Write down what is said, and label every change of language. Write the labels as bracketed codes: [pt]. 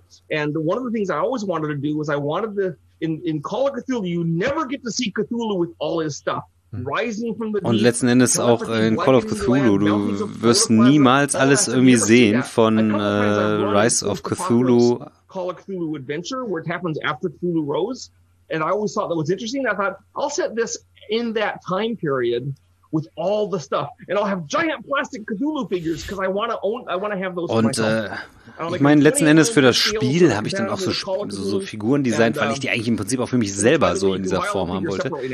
[en] And one of the things I always wanted to do was I wanted to in Call of Cthulhu, you never get to see Cthulhu with all his stuff. [de] Und letzten Endes auch in Call of Cthulhu, du wirst niemals alles irgendwie sehen von Rise of Cthulhu. [en] Call of Cthulhu Adventure, where it happens after Cthulhu Rose. And I always thought that was interesting. I thought, I'll set this in that time period with all the stuff. And I'll have giant plastic Cthulhu figures, because I want to have those. [de] Und ich meine, letzten Endes für das Spiel habe ich dann auch so Figuren designt, weil ich die eigentlich im Prinzip auch für mich selber so in dieser Form haben wollte.